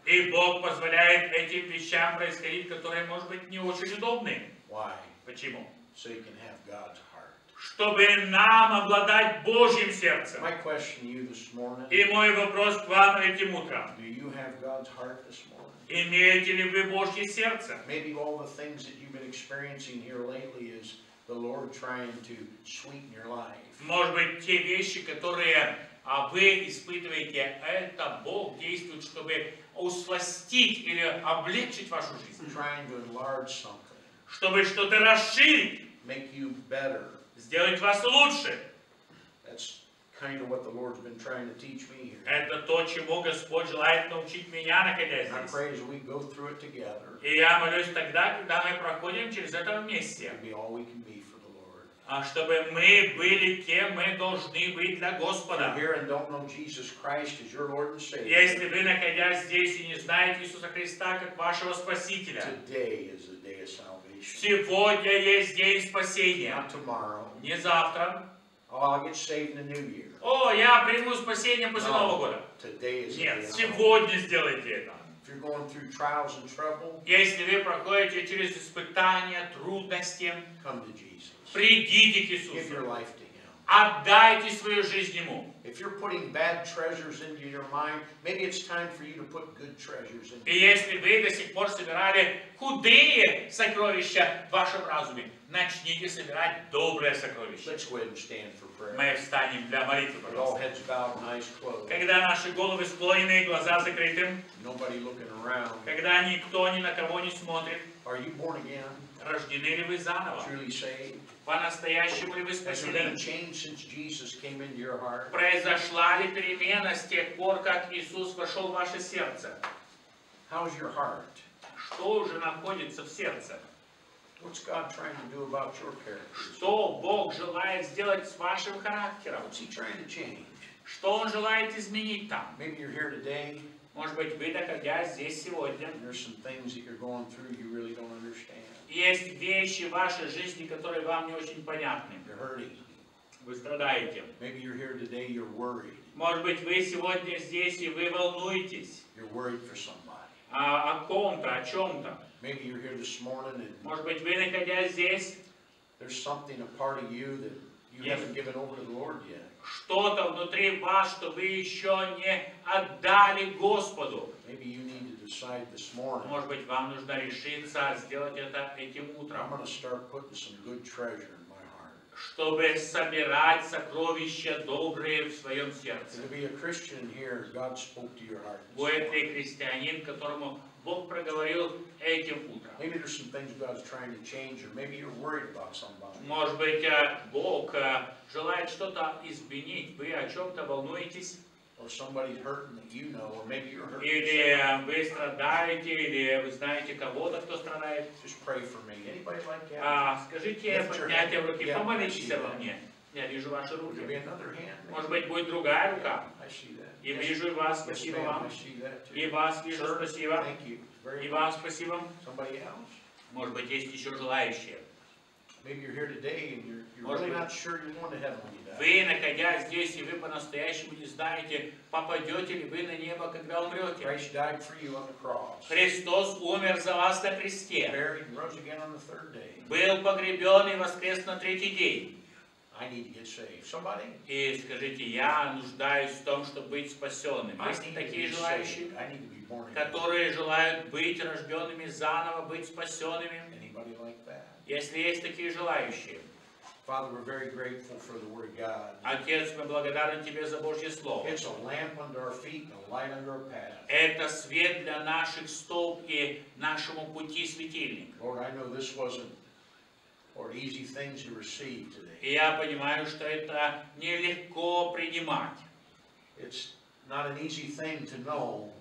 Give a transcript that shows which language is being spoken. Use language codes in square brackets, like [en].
[ru] И Бог позволяет этим вещам происходить, которые, может быть, не очень удобны. [en] Why? [ru] Почему? [en] So you can have God's heart. [ru] Чтобы нам обладать Божьим сердцем. [en] My question to you this morning. [ru] И мой вопрос к вам этим утром. [en] Do you have God's heart this morning? [ru] Имеете ли вы Божье сердце? [en] Maybe all the things that you've been experiencing here lately is the Lord trying to sweeten your life. [ru] Может быть, те вещи, которые вы испытываете, это Бог действует, чтобы усластить или облегчить вашу жизнь. [en] Trying to enlarge something. [ru] Чтобы что-то расширить. [en] Make you better. [ru] Сделать вас лучше. [en] That's kind of what the Lord's been trying to teach me here. [ru] Это то, чему Господь желает научить меня, находясь здесь. [en] I pray as we go through it together. [ru] И я молюсь тогда, когда мы проходим через это вместе. [en] Be all we can be for the Lord. [ru] А чтобы мы были кем мы должны быть для Господа. [en] If you're here and don't know Jesus Christ as your Lord and Savior. [ru] Если вы находясь здесь и не знаете Иисуса Христа как вашего Спасителя. [en] Today is the day of salvation. [ru] Сегодня есть день спасения. [en] Not tomorrow. [ru] Не завтра. [en] Oh, I'll get saved in the new year. [ru] О, я приму спасение после Нового года. [en] Today is the day. [ru] Сегодня сделайте это. [en] If you're going through trials and trouble, [ru] если вы проходите через испытания, трудности, [en] come to Jesus. [ru] Придите к Иисусу. [en] Give your life to Him. [ru] Отдайте свою жизнь Ему. [en] If you're putting bad treasures into your mind, maybe it's time for you to put good treasures in. [ru] И если вы до сих пор собирали худые сокровища в вашем разуме, начните собирать добрые сокровища. [en] Let's go ahead and stand for prayer. [ru] Мы встанем для молитвы, пожалуйста. [en] All heads bowed, eyes closed. [ru] Когда наши головы склонены, глаза закрыты. [en] Nobody looking around. [ru] Когда никто ни на кого не смотрит. [en] Are you born again? [ru] Рождены ли вы заново? [en] Truly saved? [ru] По-настоящему ли вы спасены? [en] Has there been a change since Jesus came into your heart? [ru] Произошла ли перемена с тех пор, как Иисус вошел в ваше сердце? [en] How's your heart? [ru] Что уже находится в сердце? [en] What's God trying to do about your character? [ru] Что Бог желает сделать с вашим характером? [en] What's He trying to change? [ru] Что Он желает изменить там? [en] Maybe you're here today. [ru] Может быть, вы находя здесь сегодня. [en] There's some things that you're going through you really don't understand. [ru] Есть вещи в вашей жизни, которые вам не очень понятны. [en] You're hurting. [ru] Вы страдаете. [en] Maybe you're here today, you're worried. [ru] Может быть, вы сегодня здесь и вы волнуетесь. [en] You're worried for somebody. [ru] О ком-то, о чем-то. [en] Maybe you're here this morning and [ru] может быть, вы находясь здесь, [en] there's something a part of you that you haven't given over to the Lord yet. [ru] Что-то внутри вас, что вы еще не отдали Господу. [en] Maybe you need to decide this morning. [ru] Может быть, вам нужно решиться сделать это этим утром. [en] I'm going to start putting some good treasure in my heart. [ru] Чтобы собирать сокровища добрые в своем сердце. [en] To be a Christian here, God spoke to your heart. [ru] Будет ли христианин, которому Бог проговорил этим утром. [en] Maybe there's some things God's trying to change, or maybe you're worried about somebody. [ru] Может быть, Бог желает что-то изменить. Вы о чем-то волнуетесь. [en] or somebody's hurting that you know, or maybe you're hurting. [ru] Или вы страдаете, или вы знаете кого-то, кто страдает. [en] Just pray for me. Anybody like that? [ru] Скажите, поднятие руки, помолитесь обо мне. Я вижу ваши руки. [en] There'll be another hand. [ru] Может быть, будет другая рука. [en] I see that. [ru] И вижу и вас, спасибо вам. И вас вижу, спасибо. [en] Thank you. [ru] И вам спасибо. [en] Somebody else? [ru] Может быть, есть еще желающие. [en] Maybe you're here today and you're really not sure you're going to heaven when you die. [ru] Вы, находясь здесь, и вы по-настоящему не знаете, попадете ли вы на небо, когда умрете. [en] Christ died for you on the cross. [ru] Христос умер за вас на кресте. [en] Buried and rose again on the third day. [ru] Был погребен и воскрес на третий день. [en] I need to get saved. Somebody? [ru] И скажите, я нуждаюсь в том, чтобы быть спасенным. Есть такие желающие, которые желают быть рожденными заново, быть спасенными? [en] Anybody like that? [ru] Если есть такие желающие. [en] Father, we're very grateful for the word of God. [ru] Отец, мы благодарны Тебе за Божье Слово. [en] It's a lamp under our feet, a light under our path. [ru] Это свет для наших стоп и нашему пути светильник. [en] Lord, I know this wasn't or easy thing to receive today. [ru] И я понимаю, что это нелегко принимать. [en] It's not an easy thing to know.